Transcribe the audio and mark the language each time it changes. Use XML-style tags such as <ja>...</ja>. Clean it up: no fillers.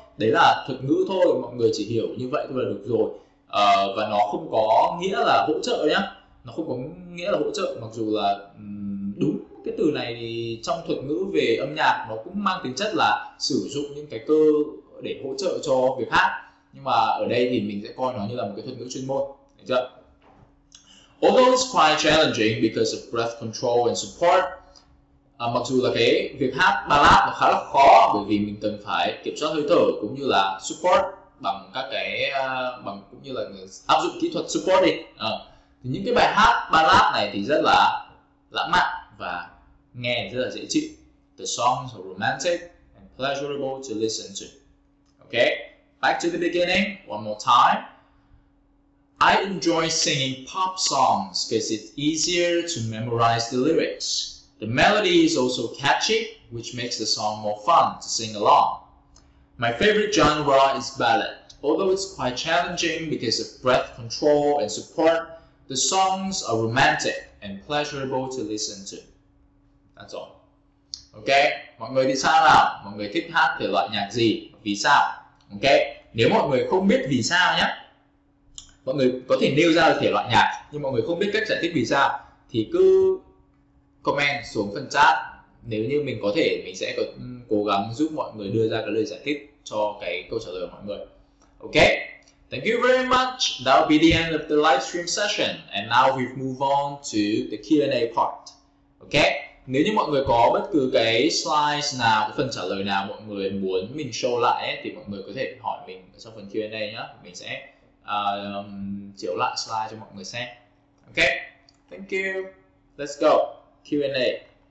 <vi>Đấy là thuật ngữ thôi, mọi người chỉ hiểu như vậy thôi là được rồi. Và nó không có nghĩa là hỗ trợ nhá, nó không có nghĩa là hỗ trợ, mặc dù là đúng cái từ này thì trong thuật ngữ về âm nhạc nó cũng mang tính chất là sử dụng những cái cơ để hỗ trợ cho việc hát, nhưng mà ở đây thì mình sẽ coi nó như là một cái thuật ngữ chuyên môn, được chưa?</vi> <en>Although it's quite challenging because of breath control and support.</en> <vi>Mặc dù là cái việc hát ballad nó khá là khó, bởi vì mình cần phải kiểm soát hơi thở cũng như là support bằng các cái bằng cũng như là áp dụng kỹ thuật support đi. Thì những cái bài hát ballad này thì rất là lãng mạn và nghe rất là dễ chịu.</vi> <en>The songs are romantic and pleasurable to listen to. Okay, back to the beginning one more time. I enjoy singing pop songs because it's easier to memorize the lyrics. The melody is also catchy, which makes the song more fun to sing along. My favorite genre is ballad. Although it's quite challenging because of breath control and support, the songs are romantic and pleasurable to listen to. That's all.</en> <vi>Ok, mọi người thì sao nào? Mọi người thích hát thể loại nhạc gì? Vì sao? Ok, nếu mọi người không biết vì sao nhé, mọi người có thể nêu ra được thể loại nhạc, nhưng mọi người không biết cách giải thích vì sao, thì cứ comment xuống phần chat, nếu như mình có thể mình sẽ cố gắng giúp mọi người đưa ra cái lời giải thích cho cái câu trả lời của mọi người.</vi> <en>Ok, thank you very much. That'll be the end of the live stream session. And now we've move on to the Q&A part.</en> <vi>Ok, nếu như mọi người có bất cứ cái slides nào, cái phần trả lời nào mọi người muốn mình show lại ấy, thì mọi người có thể hỏi mình trong phần Q&A nhé. Mình sẽ chiếu lại slide cho mọi người xem. Ok,</vi> <en>thank you. Let's go.</en> <vi>Q&A.</vi>